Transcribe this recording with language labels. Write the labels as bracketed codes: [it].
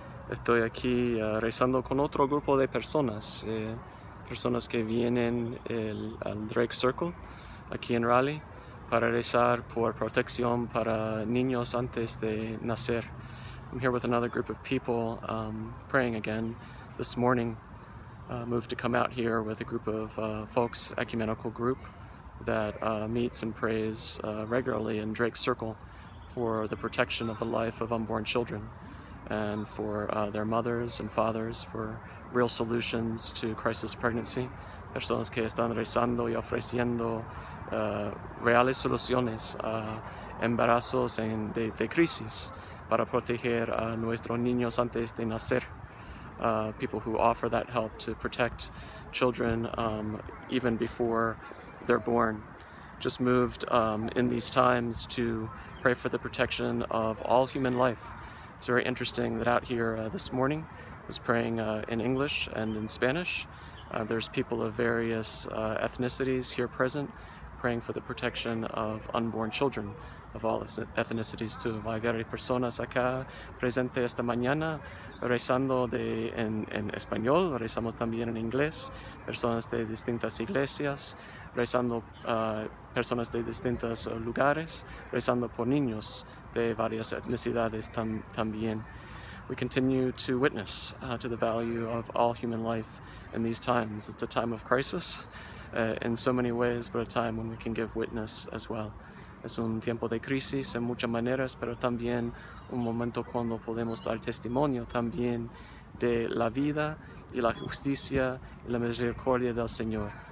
[es] Estoy aquí rezando con otro grupo de personas, personas que vienen al Drake Circle aquí en Raleigh para rezar por protección para niños antes de nacer. [en] I'm here with another group of people praying again this morning. Moved to come out here with a group of folks, ecumenical group that meets and prays regularly in Drake Circle for the protection of the life of unborn children and for their mothers and fathers, for real solutions to crisis pregnancy. [es] Personas que están rezando y ofreciendo reales soluciones a embarazos de crisis para proteger a nuestros niños antes de nacer. [en] People who offer that help to protect children even before they're born. Just moved in these times to pray for the protection of all human life. It's very interesting that out here this morning I was praying in English and in Spanish. There's people of various ethnicities here present praying for the protection of unborn children of all ethnicities too. [es] Hay varias personas acá presentes esta mañana rezando en español, rezamos también en inglés, personas de distintas iglesias, rezando personas de distintos lugares, rezando por niños de varias etnicidades también. [en] We continue to witness to the value of all human life in these times. It's a time of crisis in so many ways, but a time when we can give witness as well. [es] Es un tiempo de crisis en muchas maneras, pero también un momento cuando podemos dar testimonio también de la vida y la justicia y la misericordia del Señor.